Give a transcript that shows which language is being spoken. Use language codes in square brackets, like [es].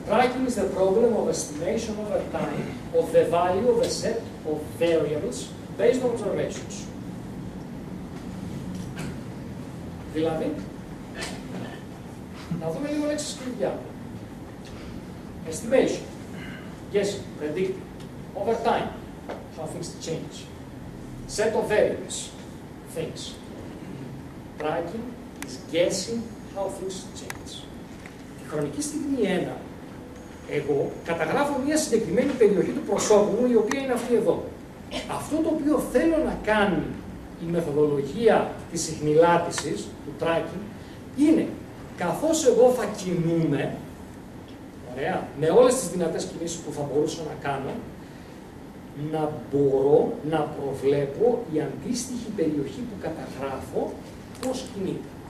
[en] Tracking is the problem of estimation over time of the value of a set of variables based on observations. [el] Δηλαδή, να δούμε λίγο λέξεις κλειδιά. [en] Estimation. Yes, predict. Over time. How things change. Set of variables. Things. Tracking is guessing how things change. [el] Χρονική στιγμή 1, εγώ καταγράφω μια συγκεκριμένη περιοχή του προσώπου μου, η οποία είναι αυτή εδώ. Αυτό το οποίο θέλω να κάνει η μεθοδολογία της ειχνηλάτησης, του tracking, είναι καθώς εγώ θα κινούμαι, ωραία, με όλες τις δυνατές κινήσεις που θα μπορούσα να κάνω, να μπορώ να προβλέπω η αντίστοιχη περιοχή που καταγράφω πώς κινείται.